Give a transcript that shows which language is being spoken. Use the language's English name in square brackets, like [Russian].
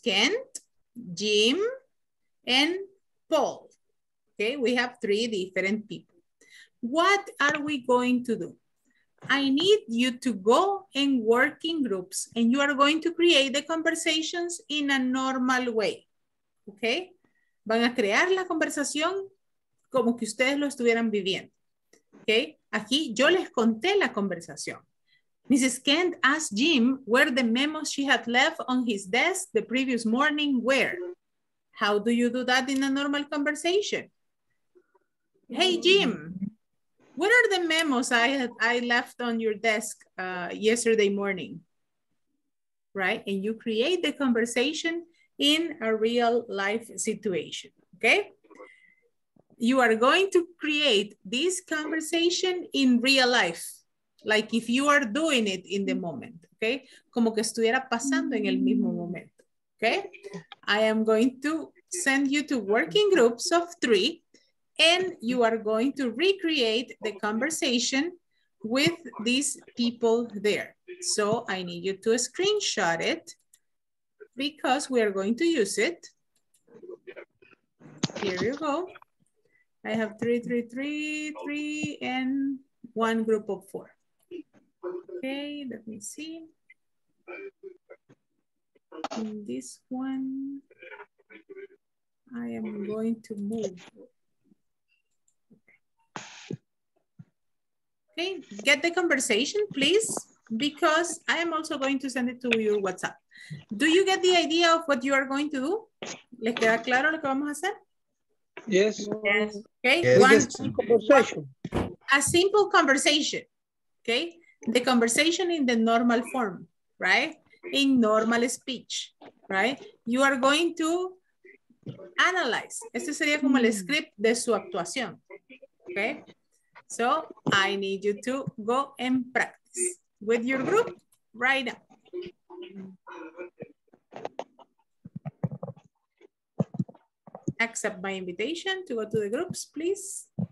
[English] Kent, Jim, and Paul. Okay, we have three different people. What are we going to do? I need you to go and work in groups, and you are going to create the conversations in a normal way. Okay? [Spanish] Van a crear la conversación como que ustedes lo estuvieran viviendo. Okay? Aquí yo les conté la conversación. Mrs. [English] Kent asked Jim where the memos she had left on his desk the previous morning were. How do you do that in a normal conversation? Hey, Jim, what are the memos I left on your desk yesterday morning? Right? And you create the conversation in a real life situation. Okay? You are going to create this conversation in real life, like if you are doing it in the moment, okay? [Spanish] Como que estuviera pasando en el mismo momento, okay? [English] I am going to send you to working groups of three, and you are going to recreate the conversation with these people there. So I need you to screenshot it because we are going to use it. Here you go. I have 3, 3, 3, 3, and one group of four. Okay, let me see. In this one, I am going to move. Okay, get the conversation, please. because I am also going to send it to your WhatsApp. Do you get the idea of what you are going to do? [Spanish] ¿Les queda claro lo que vamos a hacer? [English] Yes. Yes. Okay. Yes. One, a simple conversation. Okay. The conversation in the normal form, right? In normal speech, right? You are going to analyze. [Spanish] Este sería como el script de su actuación. [English] Okay. So I need you to go and practice with your group right now. Accept my invitation to go to the groups, please.